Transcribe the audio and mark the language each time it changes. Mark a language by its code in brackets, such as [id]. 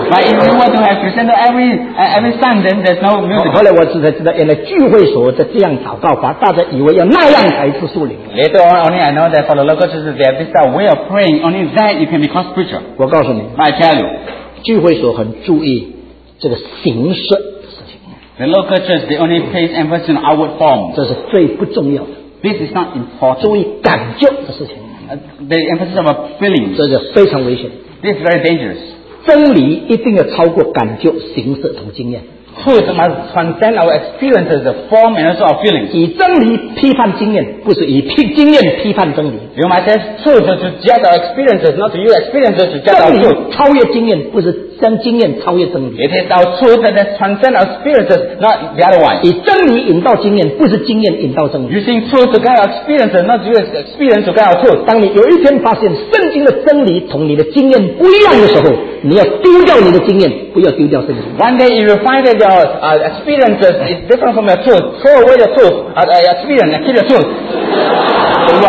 [en] But if you want to have crescendo every song, then there's no musical. [zh] 后来我才知道，原来聚会所的这样祷告法，大家以为要那样才是树灵。 [en] Later on, only I know that for the local churches, they have this way of praying. Only that you can be called spiritual. [zh] 我告诉你 [en] ，I tell you， [zh] 聚会所很注意。这个形式的事情 [en] The local church they only place emphasis on outward form [zh] 这是最不重要的 [en] This is not important. [zh] 注意感觉的事情, [en] the emphasis of a feeling. [zh] 这是非常危险, [en] this is very dangerous. [zh] 真理一定要超过感觉、形式和经验。 [en] Truth must transcend our experiences, the form and also our feelings. [zh] 以真理批判经验, 不是以经验批判真理。 [en] You might say, truth is to judge our experiences, not to use experiences to judge our truth. [zh] 超越经验, 不是将经验超越真理。 [en] It is our truth that transcends our experiences, not the other one. [zh] 以真理引导经验, 不是经验引导真理。 [en] Using truth to guide our experiences, not to use experience to guide our truth. [zh] 当你有一天发现圣经的真理同你的经验不一样的时候, 你要丢掉你的经验, 不要丢掉圣经。 [en] One day you will find that your experiences is different from your truth. Throw away your truth, experience, and kill your truth.